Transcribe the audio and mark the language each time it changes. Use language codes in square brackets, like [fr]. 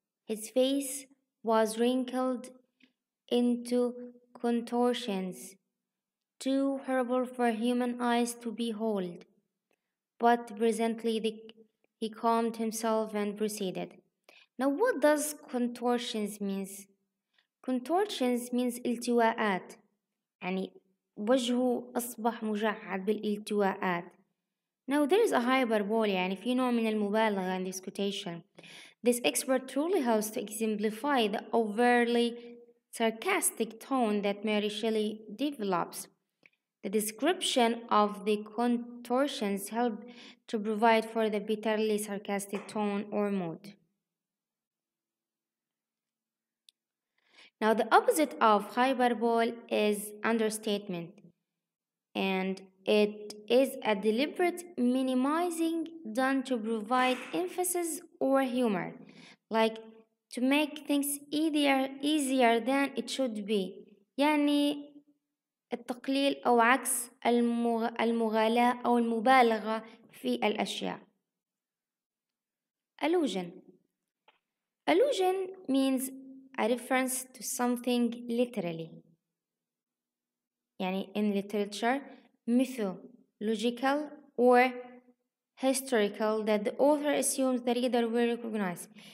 [en] His face was wrinkled into contortions, too horrible for human eyes to behold. But presently he calmed himself and proceeded. Now what does contortions mean? Contortions means التواءات. [ar] يعني وجهه أصبح مجعد بالالتواءات. [en] Now there is a hyperbole, [ar] يعني في نوع من المبالغة [en] in this quotation. This expert truly helps to exemplify the overly sarcastic tone that Mary Shelley develops. The description of the contortions help to provide for the bitterly sarcastic tone or mood. Now the opposite of hyperbole is understatement, and it is a deliberate minimizing done to provide emphasis or humor, like to make things easier than it should be. [ar] يعني التقليل أو عكس المغالاة أو المبالغة في الأشياء. [en] Allusion. Allusion means a reference to something literally. يعني in literature, mythological or historical that the author assumes the reader will recognize.